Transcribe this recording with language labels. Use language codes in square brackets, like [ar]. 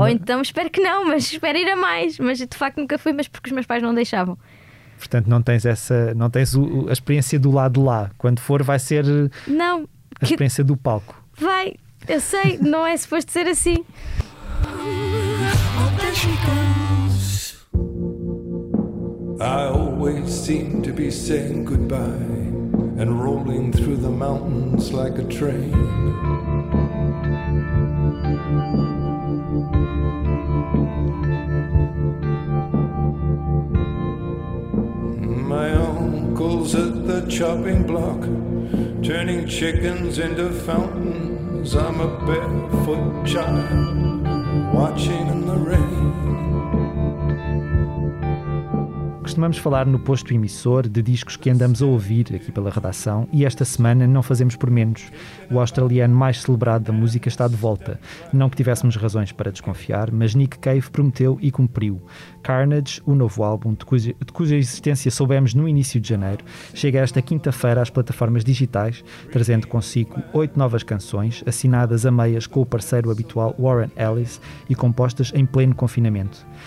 [pt] Ou então, espero que não, mas espero ir a mais. Mas de facto nunca fui, mas porque os meus pais não deixavam. Portanto, não tens essa, não tens a experiência do lado de lá. Quando for, vai ser não, a que... experiência do palco. Vai... Eu sei, não é suposto ser assim. [en] I always seem to be saying goodbye and rolling through the mountains like a train. My uncle's at the chopping block, turning chickens into fountains. I'm a barefoot child watching in the rain. [pt] Costumamos falar no posto emissor de discos que andamos a ouvir aqui pela redação e esta semana não fazemos por menos. O australiano mais celebrado da música está de volta. Não que tivéssemos razões para desconfiar, mas Nick Cave prometeu e cumpriu. Carnage, o novo álbum, de cuja existência soubemos no início de janeiro, chega esta quinta-feira às plataformas digitais, trazendo consigo 8 novas canções, assinadas a meias com o parceiro habitual Warren Ellis e compostas em pleno confinamento.